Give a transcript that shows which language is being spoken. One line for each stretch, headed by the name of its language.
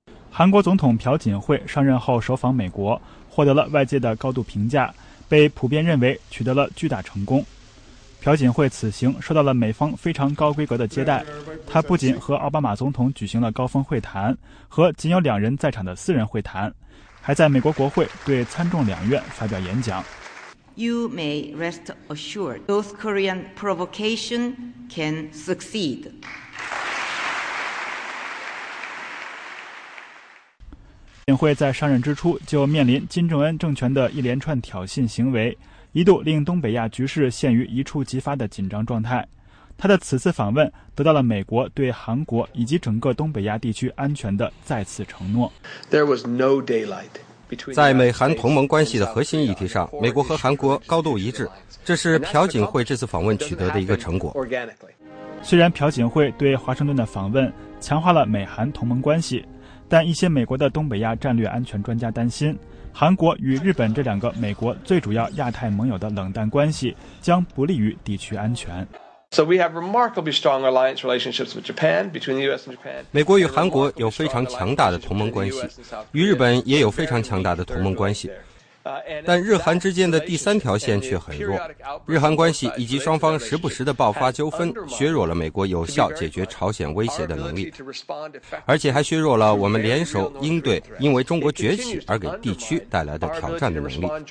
Chinese: 韩国总统朴槿惠上任后首访美国，获得了外界的高度评价，被普遍认为取得了巨大成功。朴槿惠此行受到了美方非常高规格的接待，他不仅和奥巴马总统举行了高峰会谈和仅有两人在场的私人会谈，还在美国国会对参众两院发表演讲。
English: You may rest assured, North Korean provocation can succeed.
Chinese: 朴槿惠在上任之初就面临金正恩政权的一连串挑衅行为，一度令东北亚局势陷于一触即发的紧张状态。他的此次访问得到了美国对韩国以及整个东北亚地区安全的再次承诺。
English: There was no daylight.
Chinese: 在美韩同盟关系的核心议题上，美国和韩国高度一致，这是朴槿惠这次访问取得的一个成果。虽然朴槿惠对华盛顿的访问强化了美韩同盟关系，但一些美国的东北亚战略安全专家担心，韩国与日本这两个美国最主要亚太盟友的冷淡关系将不利于地区安全。
English: So we have remarkably strong alliance relationships with Japan, between the U.S. and Japan.
Chinese: 美国与韩国有非常强大的同盟关系，与日本也有非常强大的同盟关系，但日韩之间的第三条线却很弱。日韩关系以及双方时不时的爆发纠纷，削弱了美国有效解决朝鲜威胁的能力，而且还削弱了我们联手应对因为中国崛起而给地区带来的挑战的能力。